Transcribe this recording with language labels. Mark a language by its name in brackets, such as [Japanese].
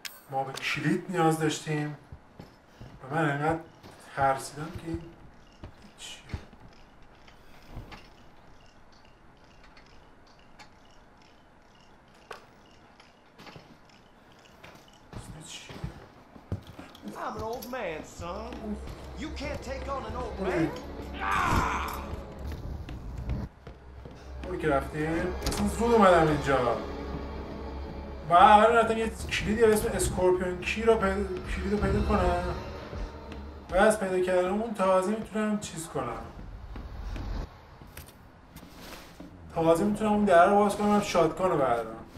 [Persian] ما به کلید نیاز داشتیم و من انقدر ترسیدم که چی؟ اصلا چی؟ [English] I'm an old man, son. You can't take on an old man. [Persian] اوی که رفتیم اصلا زود اومدم اینجا و اول رفتم یه کلید یا اسم اسکورپیون کی رو کلید رو پیدا کنم و از پیدا کردن اون تازه میتونم چیز کنم، تازه میتونم اون در رو باز کنم شادکان رو بردارم.